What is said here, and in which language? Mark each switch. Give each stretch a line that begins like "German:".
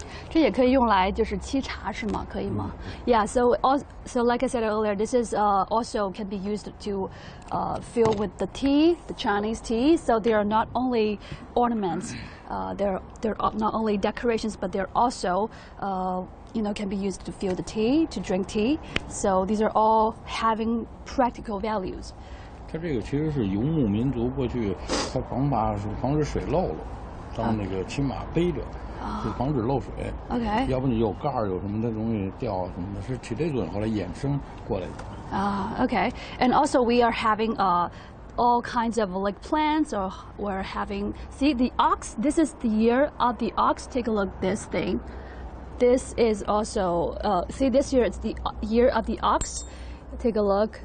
Chinese: 这也可以用来就是沏茶是吗？可以吗？
English: Yeah, so like I said earlier, this is also can be used to fill with the tea, the Chinese tea. So they are not only ornaments, they're not only decorations, but they're also, you know, can be used to fill the tea, to drink tea. So these are all having practical values.
Chinese: 它这个其实是游牧民族过去，它防止水漏了。当那个骑马背着，就防止漏水。 OK，要不你有盖儿，有什么的容易掉什么的，是起这作用。后来衍生过来的。
English: OK， and also we are having all kinds of like plants, or we're having. See the ox. This is the year of the ox. Take a look this thing. This is also see this year it's the year of the ox. Take a look.